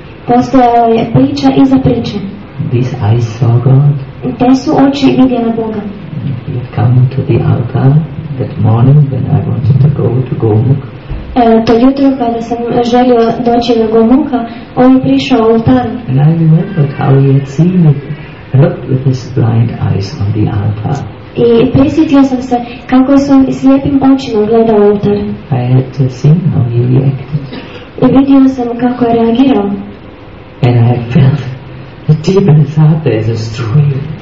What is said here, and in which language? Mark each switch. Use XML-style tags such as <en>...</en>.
<hr>Postojala je priča iza priče.</hr> <en>These eyes saw God.</en> <hr>Te su oči vidjela Boga.</hr> <en>He had come to the altar that morning when I wanted to go to Gomukh.</en> <hr>To jutro kada sam želio doći na Gomukha, on je prišao oltar.</hr> <en>And I remembered how he had seen it, looked with his blind eyes on the altar.</en> <hr>I prisjetio sam se kako sam slijepim očima gledao oltar.</hr> <en>I had seen how he reacted.</en> <hr>I vidio sam kako je reagirao.</hr> <en>And I felt the deep in his heart there is a stream.</en>